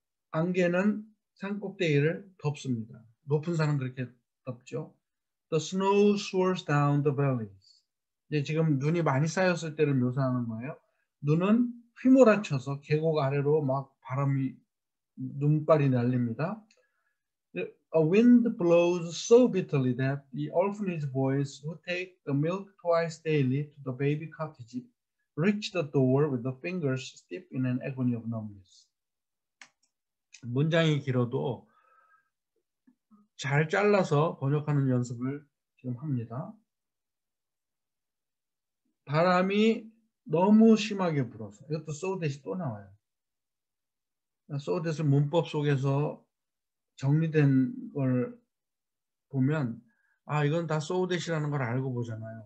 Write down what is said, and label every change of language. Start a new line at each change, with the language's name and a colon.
Korean: 안개는 산 꼭대기를 덮습니다. 높은 산은 그렇게 덥죠.
English: The snow swirls down the valleys.
Korean: 이제 지금 눈이 많이 쌓였을 때를 묘사하는 거예요. 눈은 휘몰아쳐서 계곡 아래로 막 바람이 눈발이 날립니다.
English: A wind blows so bitterly that the orphanage boys who take the milk twice daily to the baby cottage reach the door with the fingers stiff in an agony of numbness.
Korean: 문장이 길어도 잘 잘라서 번역하는 연습을 지금 합니다. 바람이 너무 심하게 불어서 이것도 so that이 또 나와요. so that을 문법 속에서 정리된 걸 보면 아 이건 다 so that이라는 걸 알고 보잖아요.